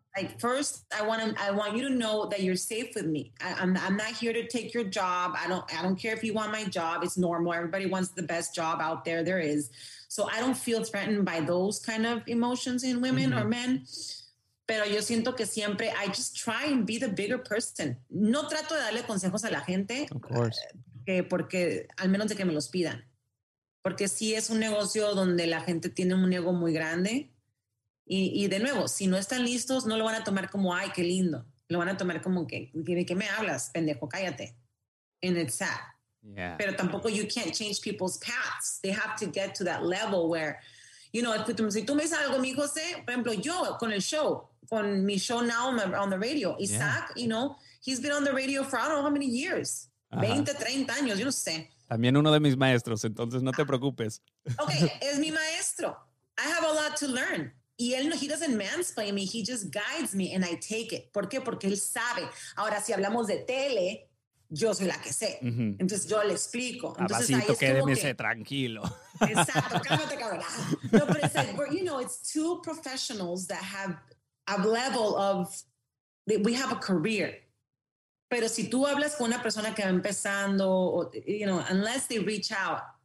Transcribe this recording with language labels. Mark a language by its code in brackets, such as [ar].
[en] Like first, I want you to know that you're safe with me. I'm not here to take your job. I don't care if you want my job. It's normal. Everybody wants the best job out there. There is. So I don't feel threatened by those kind of emotions in women or men. [es] Pero yo siento que siempre [en] I just try and be the bigger person. [es] No trato de darle consejos a la gente. [en] Of course. [es] Porque al menos de que me los pidan. Porque si es un negocio donde la gente tiene un ego muy grande y de nuevo, si no están listos, no lo van a tomar como, ay, qué lindo. Lo van a tomar como que, ¿de qué me hablas, pendejo? Cállate. [en] And it's sad. Yeah. [es] Pero tampoco [en] you can't change people's paths. They have to get to that level where, you know, [es] si tú me dices algo, mi José, por ejemplo, yo con el show, con mi show [en] now on the radio, Isaac, you know, he's been on the radio for I don't know how many years. [es] Uh-huh. 20, 30 años, yo no sé. También uno de mis maestros, entonces no te preocupes. [en] Okay, [es] es mi maestro. [en] I have a lot to learn. [es] Y él, [en] he doesn't mansplain me, he just guides me and I take it. [es] ¿Por qué? Porque él sabe. Ahora, si hablamos de tele, yo soy la que sé. Uh-huh. Entonces yo le explico. Abacito, quédese tranquilo. Exacto, cálmate, cabrón. No, pero es [en] like, you know, it's two professionals that have a level of, we have a career. [es] Pero si tú hablas con una persona que va empezando, [en] you know, unless they reach out.